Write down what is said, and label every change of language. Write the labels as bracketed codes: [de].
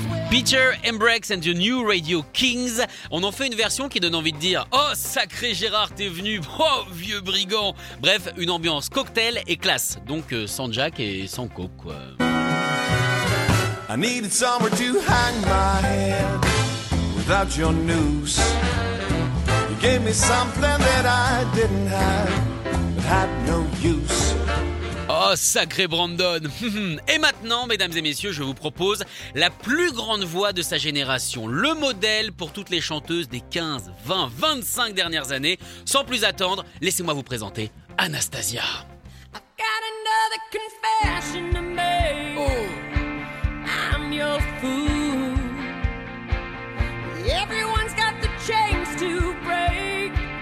[fr] Peter Embrex and the New Radio Kings. On en fait une version qui donne envie de dire « Oh, sacré Gérard, t'es venu, oh, vieux brigand !» Bref, une ambiance cocktail et classe. Donc, sans Jack et sans Coke, quoi. [en] I needed somewhere to hang my head without your noose. You gave me something that I didn't have, but had no use. [fr] Oh, sacré Brandon! Et maintenant, mesdames et messieurs, je vous propose la plus grande voix de sa génération, le modèle pour toutes les chanteuses des 15, 20, 25 dernières années. Sans plus attendre, laissez-moi vous présenter Anastasia. [en] I got another confession to make. Oh. I'm your fool. Everyone's got the chains to break.